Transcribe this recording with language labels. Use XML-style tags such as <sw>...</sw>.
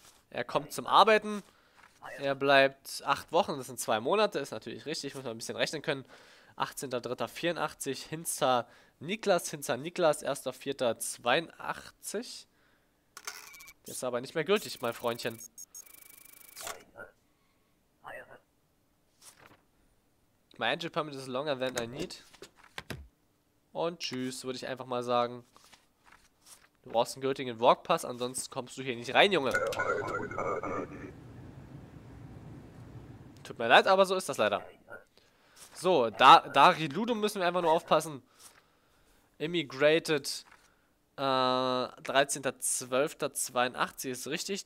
<de>Er kommt zum Arbeiten. Er bleibt 8 Wochen. Das sind 2 Monate. Ist natürlich richtig. Muss man ein bisschen rechnen können. 18.03.84. Hinzer Niklas. Hinzer Niklas. 1.04.82. Das ist aber nicht mehr gültig, mein Freundchen.</de> <en>My entry permit is longer than I need.</en> <de>Und tschüss, würde ich einfach mal sagen. Du brauchst einen gültigen Workpass, ansonsten kommst du hier nicht rein, Junge. Tut mir leid, aber so ist das leider. So, Dariludum müssen wir einfach nur aufpassen. Immigrated 13.12.82 ist richtig.</de>